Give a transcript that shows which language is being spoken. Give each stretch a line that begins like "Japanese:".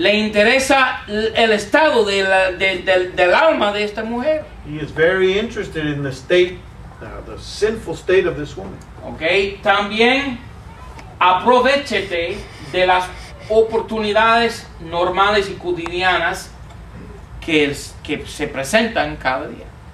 Spanish: Le interesa el estado de la del alma de esta mujer.
English: He is very interested in the state, the sinful state of this woman. Okay.
Spanish: También aprovechate de las oportunidades normales y cotidianas que se presentan cada día.